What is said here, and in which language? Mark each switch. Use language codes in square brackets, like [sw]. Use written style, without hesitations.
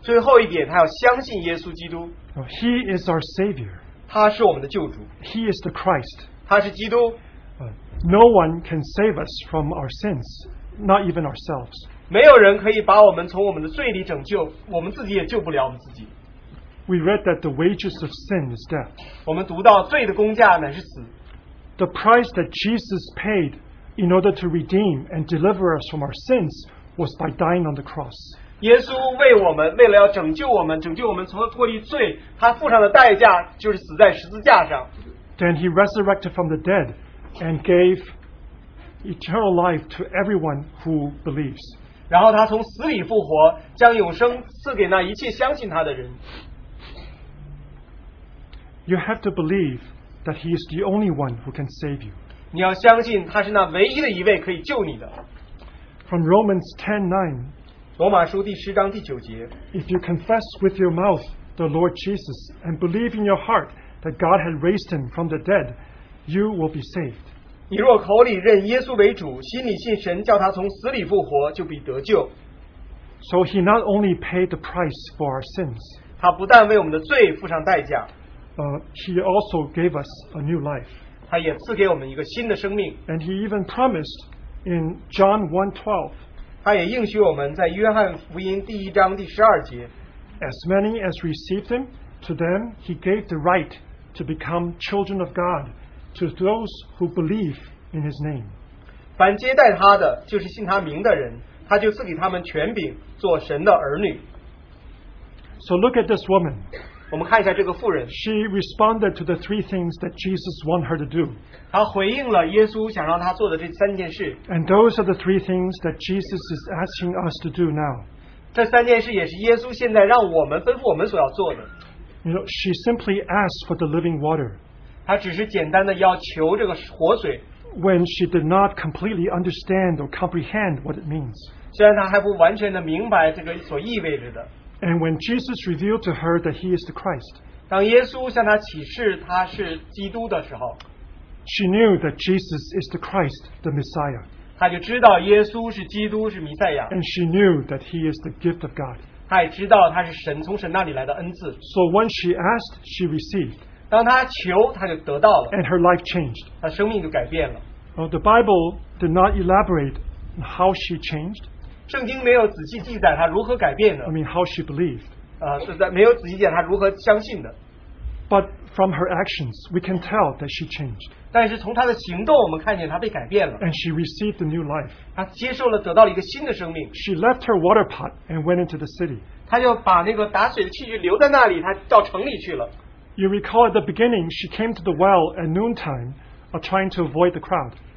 [zh] 最后一点, 她要相信耶稣基督。 [en] He is our Savior. [zh] 他是我们的救主。 [en] He is the Christ. [zh] 他是基督。 [en] No one can save us from our sins, not even ourselves. [zh] 没有人可以把我们从我们的罪里拯救, 我们自己也救不了我们自己。 [en] We read that the wages of sin is death. [zh] 我们读到罪的工价乃是死。 [en] The price that Jesus paid in order to redeem and deliver us from our sins was by dying on the cross. [zh] 耶稣为我们,为了要拯救我们,拯救我们从脱离罪, 他付上的代价就是死在十字架上。 [en] Then he resurrected from the dead and gave eternal life to everyone who believes. [zh] 然后他从死里复活, 将永生赐给那一切相信他的人。 [en] You have to believe that He is the only one who can save you. [zh] 你要相信他是那唯一的一位可以救你的。 [en] From Romans 10:9, [zh] 罗马书第十章第九节, [en] If you confess with your mouth the Lord Jesus and believe in your heart that God had raised Him from the dead, you will be saved. [zh] 你若口里认耶稣为主, 心里信神叫他从死里复活, 就必得救。 [en] So he not only paid the price for our sins, [zh] 他不但为我们的罪付上代价, [en] he also gave us a new life. [zh] 他也赐给我们一个新的生命, [en] and he even promised in John 1:12, [zh] 他也应许我们在约翰福音第一章第十二节, [en] as many as received him, to them he gave the right to become children of God, to those who believe in his name. [zh] 凡接待他的就是信他名的人, 他就赐给他们权柄做神的儿女。 [en] So look at this woman. [zh] 我们看一下这个妇人。 [en] She responded to the three things that Jesus wanted her to do. [zh] 她回应了耶稣想让她做的这三件事。 [en] And those are the three things that Jesus is asking us to do now. [zh] 这三件事也是耶稣现在让我们吩咐我们所要做的。 [en] You know, she simply asked for the living water. [zh] 她只是简单的要求这个活水。 [en] When she did not completely understand or comprehend what it means. [zh] 虽然她还不完全地明白这个所意味着的。 [en] And when Jesus revealed to her that he is the Christ, [zh] 当耶稣向她启示他是基督的时候, [en] she knew that Jesus is the Christ, the Messiah. [zh] 她就知道耶稣是基督,是弥赛亚。 [en] And she knew that he is the gift of God. [zh] 她也知道他是神,从神那里来的恩赐。 [en] So when she asked, she received. [zh] 当她求,她就得到了。 [en] And her life changed. [zh] 她生命就改变了。 [en] Well, the Bible did not elaborate on how she changed. [zh] 圣经没有仔细记载他如何改变的。 [en] I mean, how she believed. [zh] 没有仔细记载他如何相信的。 [en] But from her actions, we can tell that she changed. [zh] 但是从她的行动，我们看见她被改变了。 [en] And she received a new life. [zh] 她接受了，得到了一个新的生命。 [en] She left her water pot and went into the city. [zh] 她就把那个打水的器具留在那里，她到城里去了。 [en] You recall at the beginning, she came to the well at noontime, trying to avoid the crowd.